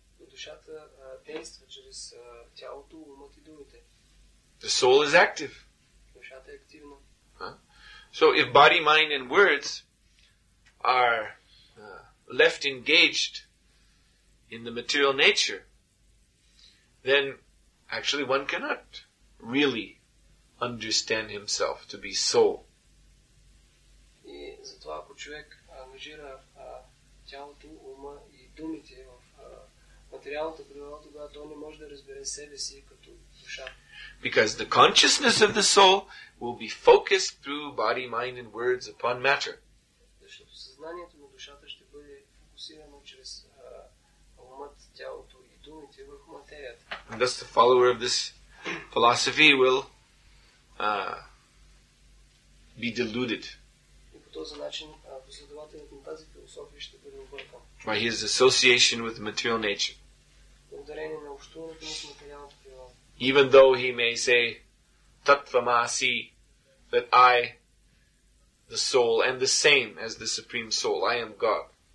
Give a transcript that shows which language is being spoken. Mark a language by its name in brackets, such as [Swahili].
[Bulgarian] Душата действа чрез тялото, умът и думите. [English] The soul is active. [Bulgarian] Душата е активна. [English] So if body, mind, and words are left engaged in the material nature, then actually one cannot really understand himself to be soul. [Bulgarian] И затова ако човек ангажира тялото, ума и думите в материалната природа, тогава той не може да разбере себе си като душа. [English] Because the consciousness of the soul will be focused through body, mind, and words upon matter. [Bulgarian] Защото съзнанието на душата ще бъде фокусирано чрез умът, тялото и думите върху материята. [English] And thus the follower of this philosophy will be deluded. [Bulgarian] И по този начин последователят на тази философия ще бъде объркан. [English] By his association with material nature. [Bulgarian] Благодарение на общуването с материалната природа. [English] Even though he may say, Tattvamasi, that I, the soul, am the same as the Supreme Soul, I am God.